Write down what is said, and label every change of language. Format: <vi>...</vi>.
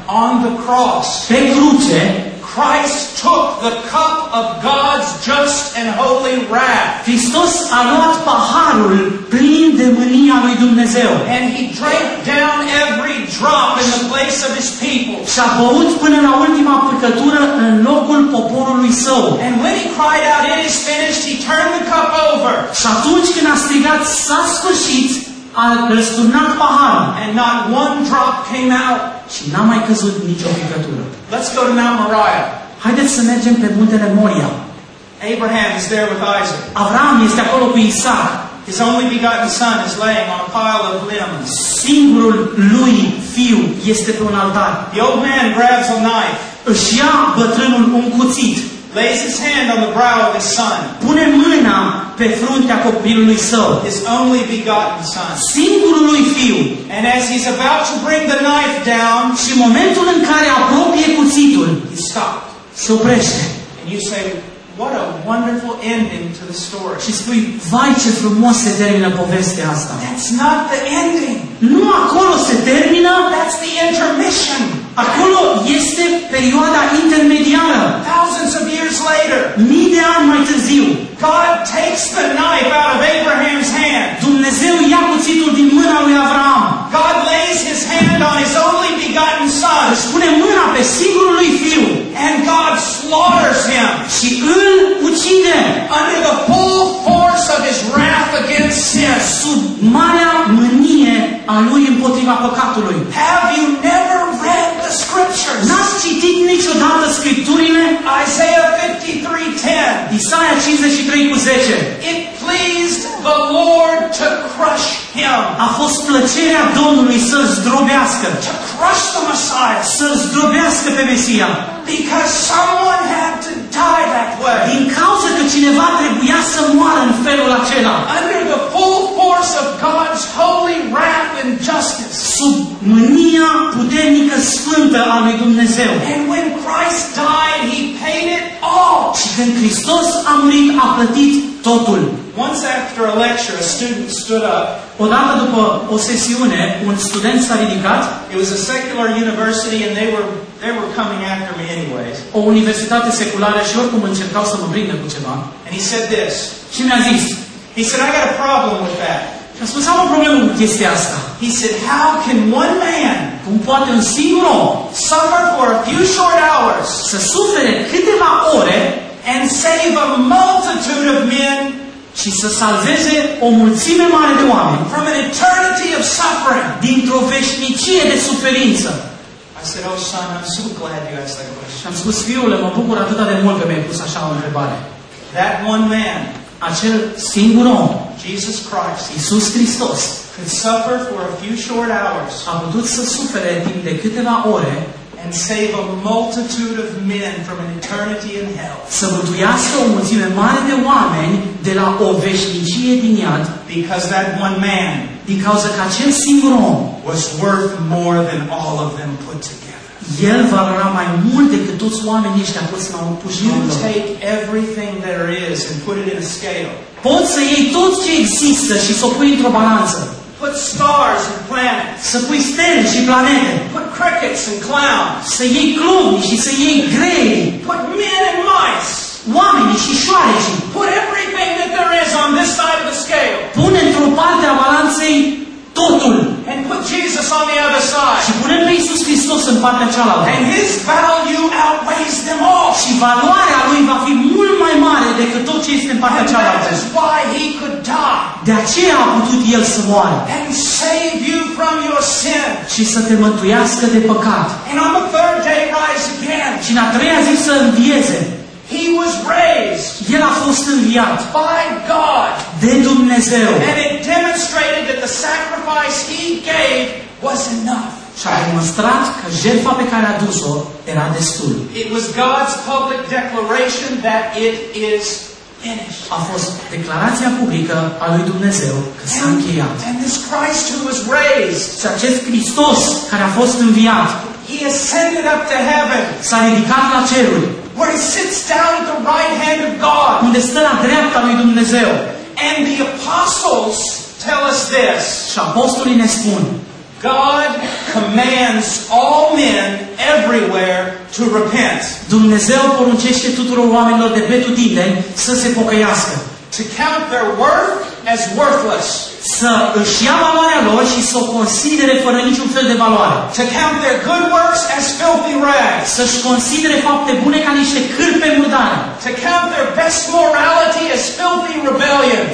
<en>On the cross,</en> <ro>pe cruce,</ro> <en>Christ took the cup of God's just and holy wrath.</en> <ro>Hristos a luat paharul plin de mânia lui Dumnezeu.</ro> <en>And he drank down every drop in the place of his people.</en> <ro>Și a băut până la ultima purcătură în locul poporului său.</ro> <en>And when he cried out, "It is finished," he turned the cup over.</en> <ro>Și atunci când a strigat, "S-a sfârșit," a răsturnat paharul.</ro> <en>And not one drop came out.</en> <ro>Și n-a mai căzut nicio picătură.</ro> <en>Let's go to Mount Moriah.</en> <ro>Haideți să mergem pe muntele Moria.</ro> <en>Abraham is there with Isaac.</en> <ro>Avram este acolo cu Isaac.</ro> <en>His only begotten son is laying on a pile of limbs.</en> <ro>Singurul lui fiu este pe un altar.</ro> <en>The old man grabs a knife.</en> <ro>Își ia bătrânul un cuțit.</ro> <en>Lays his hand on the brow of his son.</en> <ro>Pune mâna pe fruntea copilului său.</ro> <en>His only begotten son.</en> <ro>Singurul lui fiu.</ro> <en>And as he's about to bring the knife down,</en> <ro>și momentul în care apropie cuțitul,</ro> <en>he stopped.</en> <ro>Se oprește.</ro> <en>And you say, what a wonderful ending to the story.</en> <ro>Și spui, vai ce frumos se termină povestea asta.</ro> <en>That's not the ending.</en> <ro>Nu acolo se termină.</ro> <en>That's the intermission.</en> <ro>Acolo este perioada intermediară.</ro> <en>Thousands of years later.</en> <ro>Mii de ani mai târziu.</ro> <en>God takes the knife out of Abraham's hand.</en> <ro>Dumnezeu ia cuțitul din mâna lui Avram.</ro> <en>God lays his hand on his only begotten son.</en> <ro>Își pune mâna pe singurul lui fiu.</ro> <en>And God slaughters him.</en> <ro>Și îl ucide.</ro> <en>Under the full force of his wrath against sin.</en> <ro>Sub marea mânie a lui împotriva păcatului.</ro> <en>Have you never read the scriptures?</en> <ro>N-ați citit niciodată scripturile?</ro> <en>Isaiah 53:10.</en> <ro>Isaia 53:10.</ro> <en>It pleased the Lord to crush him.</en> <ro>A fost plăcerea Domnului să-l zdrobească.</ro> <en>To crush the Messiah.</en> <ro>Să-l zdrobească pe Mesia.</ro> <en>Because someone had to die that way.</en> <ro>Din cauza că cineva trebuia să moară în felul acela.</ro> <en>Under the full force of God's holy wrath and justice.</en> <ro>Sub mânia puternică sfântă a lui Dumnezeu.</ro> <en>And when Christ died, he paid it all.</en> <ro>Și când Hristos a murit, a plătit totul.</ro> <en>Once after a lecture, a student stood up.</en> <ro>Odată după o sesiune, un student s-a ridicat.</ro> <en>It was a secular university and they were they were coming after me anyways.</en> <ro>O universitate seculară și oricum încercau să mă prindă cu ceva.</ro> <en>And he said this.</en> <ro>Și mi-a zis.</ro> <en>He said, I got a problem with that.</en> <ro>Și a spus, am o problemă cu chestia asta.</ro> <en>He said, how can one man,</en> <ro>cum poate un singur om,</ro> <en>suffer for a few short hours,</en> <ro>să sufere câteva ore,</ro> <en>and save a multitude of men,</en> <ro>și să salveze o mulțime mare de oameni,</ro> <en>from an eternity of suffering,</en> <ro>dintr-o veșnicie de suferință.</ro> <en>I said, oh son, I'm so glad you asked that question.</en> <ro>Și am spus, fiule, mă bucur atât de mult că mi-ai pus așa o întrebare.</ro> <en>That one man,</en> <ro>acel singur om,</ro> <en>Jesus Christ,</en> <ro>Iisus Hristos,</ro> <en>could suffer for a few short hours,</en> <ro>a putut să sufere timp de câteva ore,</ro> <en>and save a multitude of men from an eternity in hell.</en> <ro>Să mântuiască o mulțime mare de oameni de la o veșnicie din iad,</ro> <en>because that one man, because</en> <ro>că acel singur om,</ro> <en>was worth more than all of them put together.</en> <ro>El valora mai mult decât toți oamenii ăștia puși la un pușcă.</ro> <en>You take everything there is and put it in a scale.</en> <ro>Poți să iei tot ce există și să o pui într-o balanță.</ro> <en>Put stars and planets.</en> <ro>Să pui stele și planete.</ro> <en>Put crickets and clowns.</en> <ro>Să iei glumi și să iei grei.</ro> <en>Put men and mice.</en> <ro>Oameni și șoareci.</ro> <en>Put everything that there is on this side of the scale.</en> <ro>Pune într-o parte a balanței totul.</ro> <en>And put Jesus on the other side.</en> <ro>Și pune pe Iisus Hristos în partea cealaltă.</ro> <en>And his value outweighs them all.</en> <ro>Și valoarea lui va fi mult mai mare decât tot ce este în partea cealaltă.</ro> <en>That is why he could die.</en> <ro>De aceea a putut el să moară.</ro> <en>And save you from your sin.</en> <ro>Și să te mântuiască de păcat.</ro> <en>And on the third day rise again.</en> <ro>Și în a treia zi să învieze.</ro> <en>He was raised.</en> <ro>El a fost înviat.</ro> <en>By God.</en> <ro>De Dumnezeu.</ro> <en>And it demonstrated that the sacrifice he gave was enough.</en> <ro>Și a demonstrat că jertfa pe care a dus-o era destul.</ro> <en>It was God's public declaration that it is finished.</en> <ro>A fost declarația publică a lui Dumnezeu că s-a încheiat.</ro> <en>And this Christ who was raised.</en> <ro>Și acest Hristos care a fost înviat.</ro> <en>He ascended up to heaven.</en> <ro>S-a ridicat la ceruri.</ro> <en>Where he sits down at the right hand of God.</en> <ro>Unde stă la dreapta lui Dumnezeu.</ro> <en>And the apostles tell us this.</en> <ro>Și apostolii ne spun.</ro> <en>God commands all men everywhere to repent.</en> <ro>Dumnezeu poruncește tuturor oamenilor de betutindeni să se pocăiască.</ro> <en>To count their worth as worthless.</en> <ro>Să își ia valoarea lor și să o considere fără niciun fel de valoare.</ro> <en>To count their good works as filthy rags.</en> <ro>Să își considere fapte bune ca niște cârpe murdare.</ro> <en>To count their best morality as filthy rebellion.</en>